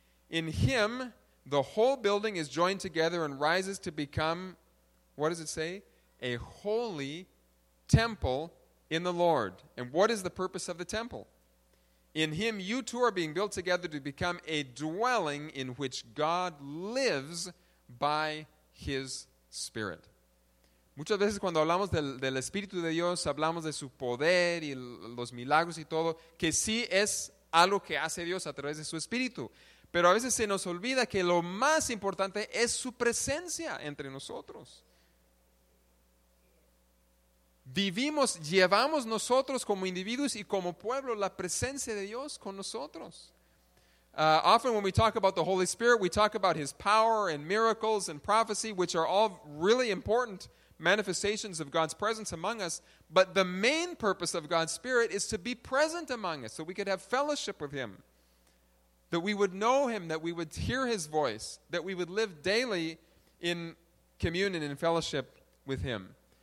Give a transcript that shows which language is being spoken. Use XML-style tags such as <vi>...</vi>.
<en>In him, the whole building is joined together and rises to become, what does it say? A holy temple in the Lord. And what is the purpose of the temple? In him, you two are being built together to become a dwelling in which God lives by his Spirit.</en> <es>Muchas veces cuando hablamos del Espíritu de Dios, hablamos de su poder y los milagros y todo, que sí es algo que hace Dios a través de su Espíritu. Pero a veces se nos olvida que lo más importante es su presencia entre nosotros. Vivimos, llevamos nosotros como individuos y como pueblo la presencia de Dios con nosotros.</es> <en>Often when we talk about the Holy Spirit, we talk about his power and miracles and prophecy, which are all really important manifestations of God's presence among us, but the main purpose of God's Spirit is to be present among us, so we could have fellowship with him, that we would know him, that we would hear his voice, that we would live daily in communion and fellowship with him.</en>